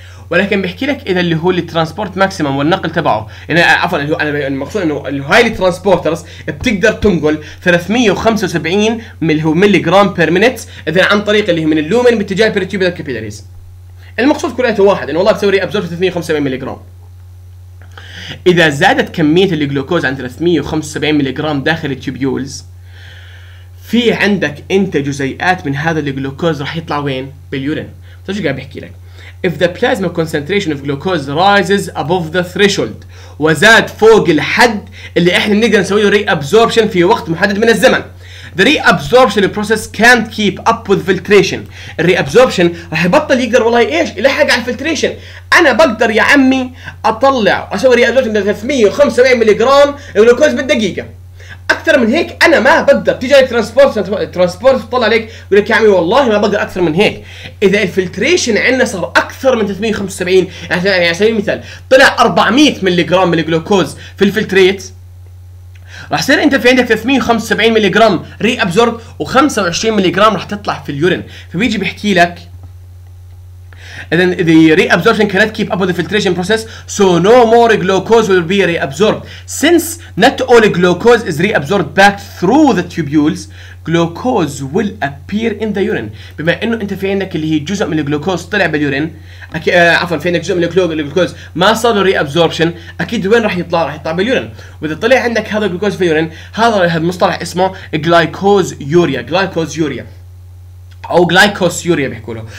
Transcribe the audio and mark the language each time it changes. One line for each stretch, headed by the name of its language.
Arabic: ولكن بيحكي لك اذا اللي هو الترانسبورت ماكسيمم والنقل تبعه يعني عفوا اللي هو انا المقصود انه اللي هاي الترانسبورترز بتقدر تنقل 375 اللي هو ملي جرام بير مينيت اذا عن طريق اللي هي من اللومن باتجاه بيرتيوبال كابيلاريز. المقصود كلياته واحد انه والله بتسوي ري ابزورب 375 ملي جرام. اذا زادت كميه الجلوكوز عند 375 ملي جرام داخل التيوبيولز في عندك انت جزيئات من هذا الجلوكوز راح يطلع وين؟ باليورين. ايش قاعد بحكي لك؟
English: If the plasma concentration of glucose rises above the threshold
Arabic: وزاد فوق الحد اللي احنا نقدر نسوي له reabsorption في وقت محدد من الزمن،
English: the reabsorption process can't keep up with filtration.
Arabic: reabsorption راح يبطل يقدر والله ايش يلحق على الفلتريشن. انا بقدر يا عمي اطلع واسوي reabsorption من 375 ملي جرام جلوكوز بالدقيقه، اكثر من هيك انا ما بقدر. تيجي عليك ترانسبورت تطلع عليك يقول لك يا عمي والله ما بقدر اكثر من هيك. اذا الفلتريشن عندنا صار اكثر من 375 يعني على سبيل المثال طلع 400 ملي جرام من الجلوكوز في الفلتريت، راح يصير انت في عندك 375 ملي جرام ري ابزورب و25 ملي جرام راح تطلع في اليورين. فبيجي بيحكي لك
English: then the reabsorption cannot keep up with the filtration process so no more glucose will be reabsorbed since not all glucose is reabsorbed back through the tubules glucose will appear in the urine.
Arabic: بما انه انت في عندك اللي هي جزء من الجلوكوز طلع باليورين في عندك جزء من الجلوكوز ما صار له reabsorption اكيد وين راح يطلع؟ راح يطلع باليورين. واذا طلع عندك هذا الجلوكوز في اليورين هذا المصطلح اسمه glycosuria او جلايكوسيوريا بيحكوله.